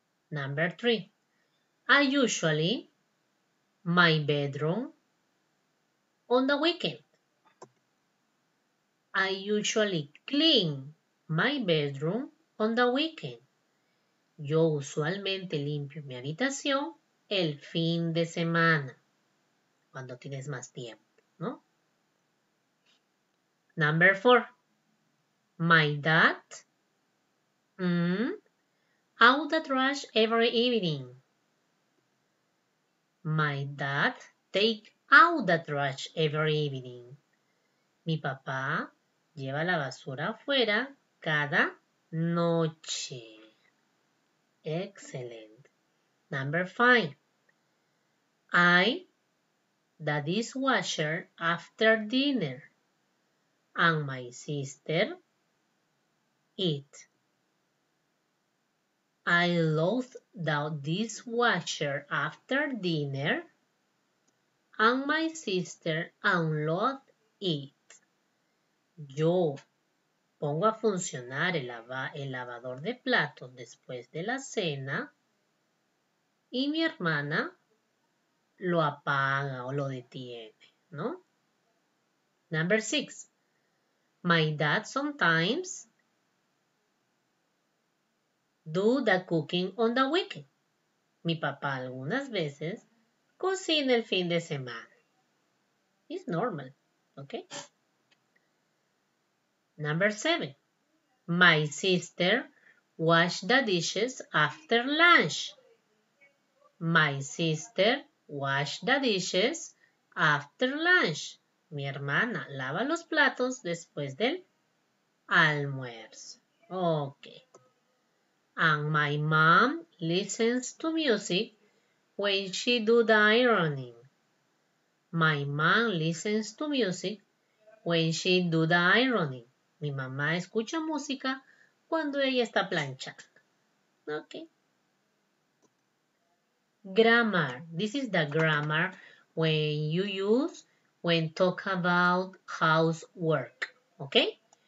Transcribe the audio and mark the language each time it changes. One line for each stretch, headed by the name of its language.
English: Number three. I usually my bedroom on the weekend. I usually clean my bedroom on the weekend.
Spanish: Yo usualmente limpio mi habitación el fin de semana, cuando tienes más tiempo, ¿no?
English: Number four. My dad out the trash every evening. My dad take out the trash every evening.
Spanish: Mi papá lleva la basura afuera cada noche.
English: Excellent. Number five. I the dishwasher after dinner and my sister eat. I load the dishwasher after dinner and my sister unload it.
Spanish: Yo pongo a funcionar el lavador de platos después de la cena y mi hermana lo apaga o lo detiene, ¿no?
English: Number six. My dad sometimes do the cooking on the weekend.
Spanish: Mi papá algunas veces cocina el fin de semana.
English: It's normal, okay? Number seven. My sister wash the dishes after lunch. My sister wash the dishes after lunch.
Spanish: Mi hermana lava los platos después del almuerzo.
English: Okay. And my mom listens to music when she do the ironing. My mom listens to music when she do the ironing.
Spanish: Mi mamá escucha música cuando ella está planchando.
English: Okay. Grammar. This is the grammar when you use when talk about housework. Okay?